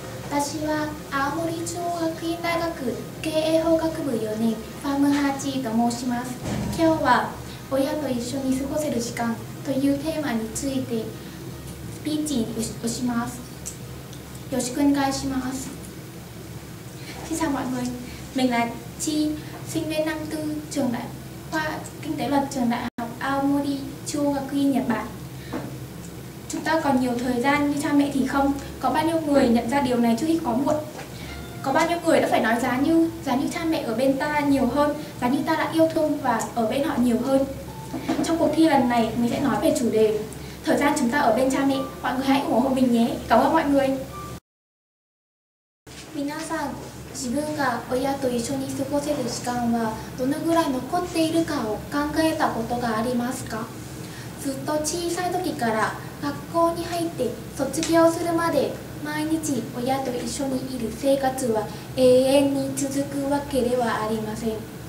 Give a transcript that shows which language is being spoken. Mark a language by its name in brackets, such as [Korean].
[Japanese] 私は青森中央学院大学経営法学部4年ファムハーチーと申します。今日は親と一緒に過ごせる時間というテーマについてスピーチをします。よろしくお願いします。 [Vietnamese] Xin chào mọi người, mình là Chi, sinh viên năm tư trường đại khoa kinh tế luật trường đại học Aomori Chuogakuin Nhật Bản. Chúng ta còn nhiều thời gian như cha mẹ thì không. Có bao nhiêu người nhận ra điều này trước khi có muộn? Có bao nhiêu người đã phải nói giá như cha mẹ ở bên ta nhiều hơn, giá như ta đã yêu thương và ở bên họ nhiều hơn. Trong cuộc thi lần này, mình sẽ nói về chủ đề thời gian chúng ta ở bên cha mẹ. Mọi người hãy ủng hộ mình nhé. Cảm ơn mọi người. Mình nói rằng [Japanese] 自分が親と一緒に過ごせる時間はどのぐらい残っているかを考えたことがありますか？ずっと小さい時から学校に入って卒業するまで毎日親と一緒にいる生活は永遠に続くわけではありません。